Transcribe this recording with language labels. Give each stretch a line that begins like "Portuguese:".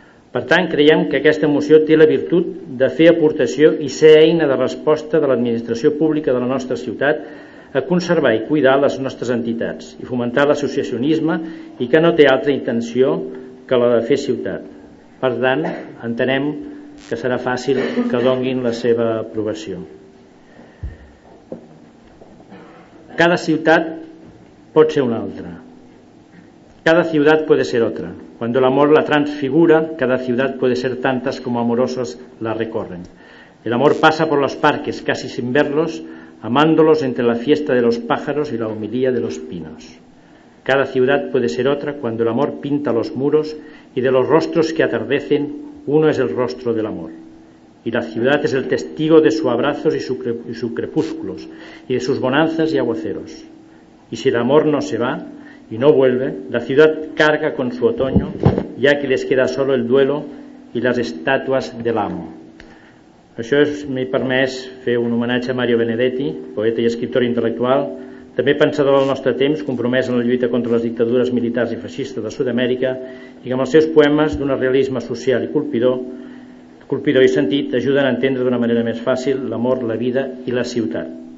Catalan: Per tant, creiem que aquesta moció té la virtut de fer aportació i ser eina de resposta de l'administració pública de la nostra ciutat a conservar i cuidar les nostres entitats i fomentar l'associacionisme i que no té altra intenció que la de fer ciutat. Per tant, entenem que serà fàcil que donguin la seva aprovació. Cada ciutat pot ser una altra.
Spanish: Cada ciutat puede ser otra. Cuando el amor la transfigura, cada ciutat puede ser tantas como amorosos la recorren. El amor pasa por los parques casi sin verlos, amándolos entre la fiesta de los pájaros y la homilía de los pinos. Cada ciudad puede ser otra cuando el amor pinta los muros y de los rostros que atardecen, uno es el rostro del amor. Y la ciudad es el testigo de sus abrazos y sus crepúsculos, y de sus bonanzas y aguaceros. Y si el amor no se va y no vuelve, la ciudad carga con su otoño, ya que les queda solo el duelo y las estatuas del amo.
Catalan: Això m'he permès fer un homenatge a Mario Benedetti, poeta i escriptor intel·lectual, també pensador del nostre temps, compromès en la lluita contra les dictadures militars i feixistes de Sud-amèrica i que amb els seus poemes d'un realisme social i colpidor i sentit ajuden a entendre d'una manera més fàcil l'amor, la vida i la ciutat.